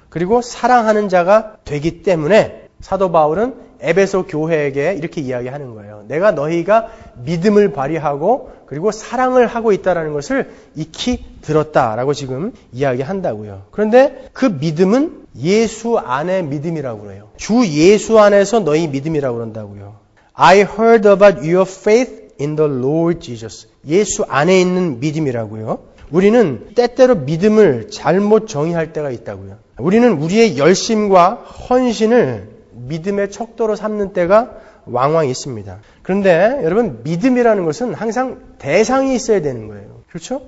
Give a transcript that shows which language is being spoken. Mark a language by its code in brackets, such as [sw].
[ko] 그리고 사랑하는 자가 되기 때문에 사도 바울은 에베소 교회에게 이렇게 이야기하는 거예요. 내가 너희가 믿음을 발휘하고 그리고 사랑을 하고 있다는 것을 익히 들었다라고 지금 이야기한다고요. 그런데 그 믿음은 예수 안의 믿음이라고 해요. 주 예수 안에서 너희 믿음이라고 그런다고요. [en] I heard about your faith in the Lord Jesus. [ko] 예수 안에 있는 믿음이라고요. 우리는 때때로 믿음을 잘못 정의할 때가 있다고요. 우리는 우리의 열심과 헌신을 믿음의 척도로 삼는 때가 왕왕 있습니다. 그런데 여러분 믿음이라는 것은 항상 대상이 있어야 되는 거예요. 그렇죠?